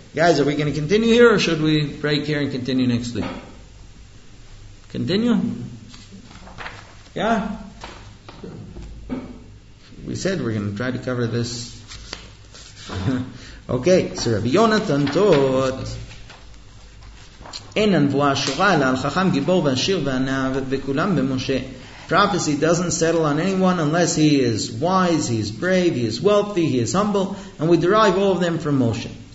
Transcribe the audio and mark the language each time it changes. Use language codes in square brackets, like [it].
[en] Guys, are we going to continue here or should we break here and continue next week? Continue? Yeah? We said we're going to try to cover this. Okay, so Rabbi Yonatan taught. [he] אין הנבואה השורה, אלא על חכם גיבור ועשיר וענה וכולם במשה. [en] Prophecy doesn't settle on anyone unless he is wise, he is brave, he is wealthy, he is humble, and we derive all of them from Moshe.